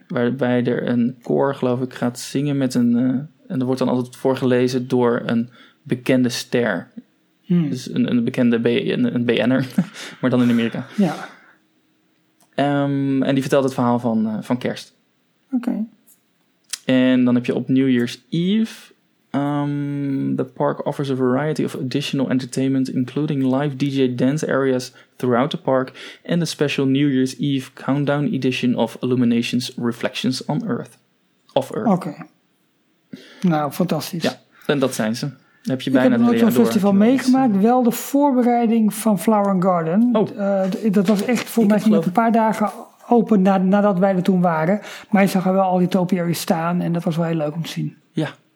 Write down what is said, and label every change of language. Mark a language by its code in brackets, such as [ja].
[nl] Waarbij er een koor, geloof ik, gaat zingen met een... en er wordt dan altijd voorgelezen door een bekende ster. Dus een bekende een BN'er, maar dan in Amerika. Ja. En die vertelt het verhaal van kerst. Okay. En dan heb je op New Year's Eve. [en] The park offers a variety of additional entertainment, including live DJ dance areas throughout the park and a special New Year's Eve countdown edition of Illuminations Reflections on Earth. Of Earth. [nl] Oké. Okay. Nou, fantastisch. Ja, en dat zijn ze. Heb je bijna ik heb nooit zo'n festival meegemaakt. Wel de voorbereiding van Flower and Garden. Dat was echt volgens mij een paar dagen open nadat wij er toen waren. Maar je zag er wel al die topiaries staan en dat was wel heel leuk om te zien. Ja.